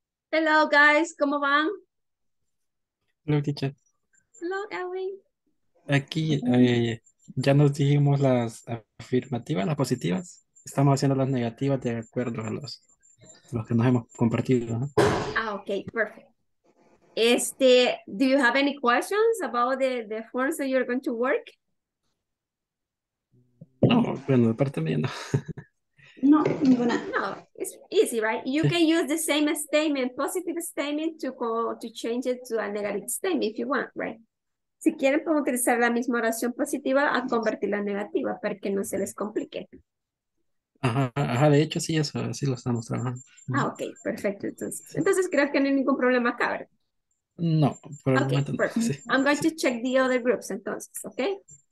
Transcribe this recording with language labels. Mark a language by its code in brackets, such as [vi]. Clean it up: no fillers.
[en] Hello, guys. [es] ¿Cómo van? [en] Hello, teacher. Hello, Edwin. [es] Aquí, ya nos dijimos las afirmativas, las positivas. Estamos haciendo las negativas de acuerdo a los que nos hemos compartido, ¿no? [en] Ah, okay, perfect. Do you have any questions about the forms that you're going to work? [es] No, bueno, de parte mía, no. [en] No, it's easy, right? You can use the same statement, positive statement, to change it to a negative statement if you want, right? [es] Si quieren, pueden utilizar la misma oración positiva a convertirla en negativa para que no se les complique. Ajá, de hecho, sí, eso, así lo estamos trabajando. Ah, ok, perfecto. Entonces creo que no hay ningún problema acá, ¿verdad? No, probablemente no. [en] Okay, perfect. I'm going to check the other groups, entonces, ok?